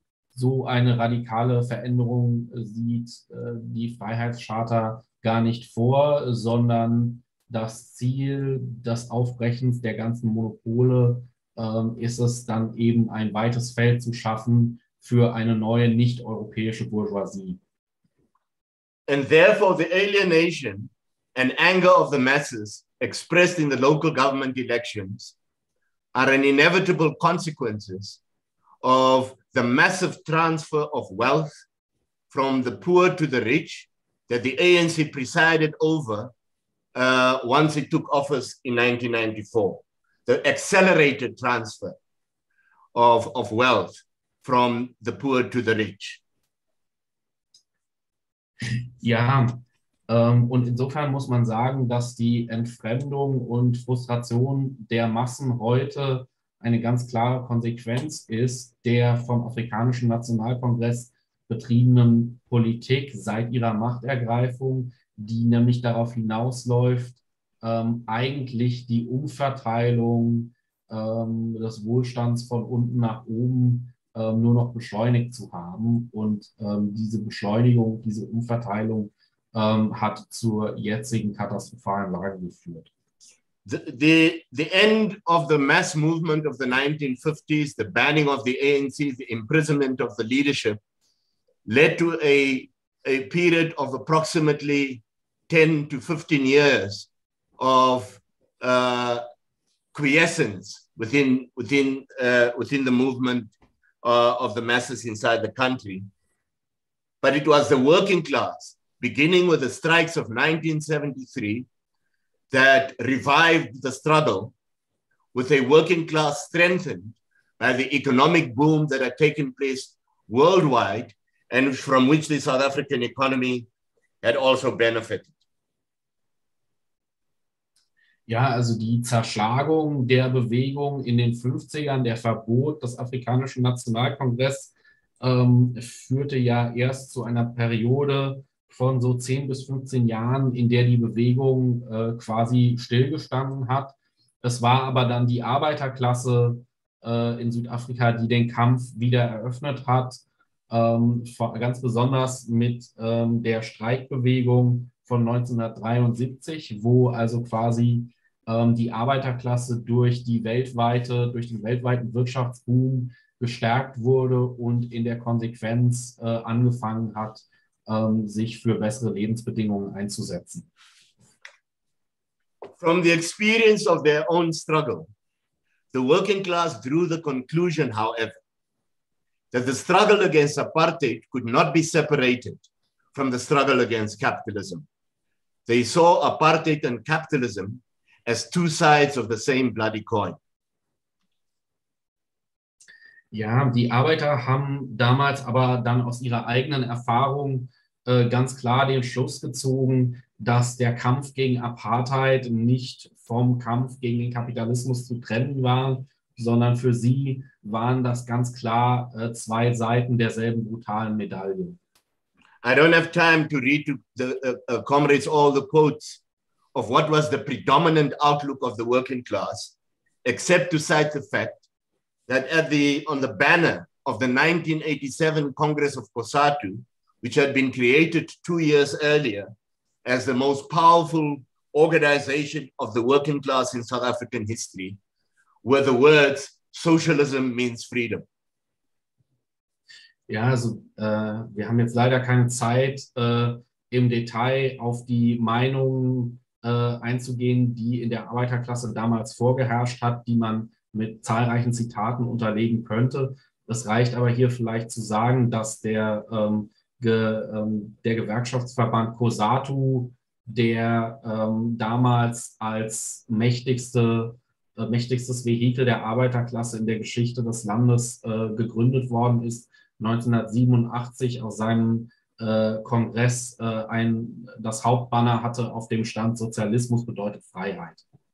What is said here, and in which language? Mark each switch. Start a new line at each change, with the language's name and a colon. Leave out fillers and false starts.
German: So eine radikale Veränderung sieht die Freiheitscharta gar nicht vor, sondern das Ziel des Aufbrechens der ganzen Monopole ist es dann eben, ein weites Feld zu schaffen für eine neue nicht-europäische Bourgeoisie.
English: And therefore the alienation and anger of the masses expressed in the local government elections are an inevitable consequences of the massive transfer of wealth from the poor to the rich that the ANC presided over once it took office in 1994. The accelerated transfer of wealth from the poor to the rich.
German: Ja, und insofern muss man sagen, dass die Entfremdung und Frustration der Massen heute eine ganz klare Konsequenz ist der vom Afrikanischen Nationalkongress betriebenen Politik seit ihrer Machtergreifung, die nämlich darauf hinausläuft, eigentlich die Umverteilung des Wohlstands von unten nach oben nur noch beschleunigt zu haben. Und diese Beschleunigung, diese Umverteilung hat zur jetzigen katastrophalen Lage geführt.
English: The end of the mass movement of the 1950s, the banning of the ANC, the imprisonment of the leadership, led to a period of approximately 10 to 15 years of quiescence within the movement of the masses inside the country. But it was the working class, beginning with the strikes of 1973, that revived the struggle with a working class strengthened by the economic boom that had taken place worldwide and from which the South African economy had also benefited.
German: Ja, also die Zerschlagung der Bewegung in den 50ern, der Verbot des afrikanischen Nationalkongress, führte ja erst zu einer Periode von so 10 bis 15 Jahren, in der die Bewegung quasi stillgestanden hat. Es war aber dann die Arbeiterklasse in Südafrika, die den Kampf wieder eröffnet hat, ganz besonders mit der Streikbewegung von 1973, wo also quasi die Arbeiterklasse durch den weltweiten Wirtschaftsboom gestärkt wurde und in der Konsequenz angefangen hat, sich für bessere Lebensbedingungen einzusetzen.
English: From the experience of their own struggle, the working class drew the conclusion, however, that the struggle against apartheid could not be separated from the struggle against capitalism. They saw apartheid and capitalism as two sides of the same bloody coin.
German: Ja, die Arbeiter haben damals aber dann aus ihrer eigenen Erfahrung ganz klar den Schluss gezogen, dass der Kampf gegen Apartheid nicht vom Kampf gegen den Kapitalismus zu trennen war, sondern für sie waren das ganz klar zwei Seiten derselben brutalen Medaille.
English: I don't have time to read to the comrades all the quotes of what was the predominant outlook of the working class, except to cite the fact that on the banner of the 1987 Congress of COSATU, which had been created 2 years earlier as the most powerful organization of the working class in South African history, were the words, socialism means freedom.
German: Ja, also wir haben jetzt leider keine Zeit, im Detail auf die Meinung einzugehen, die in der Arbeiterklasse damals vorgeherrscht hat, die man mit zahlreichen Zitaten unterlegen könnte. Es reicht aber hier vielleicht zu sagen, dass der Gewerkschaftsverband COSATU, der damals als mächtigstes Vehikel der Arbeiterklasse in der Geschichte des Landes gegründet worden ist, 1987 aus seinem Kongress das Hauptbanner hatte, auf dem stand: Sozialismus bedeutet Freiheit.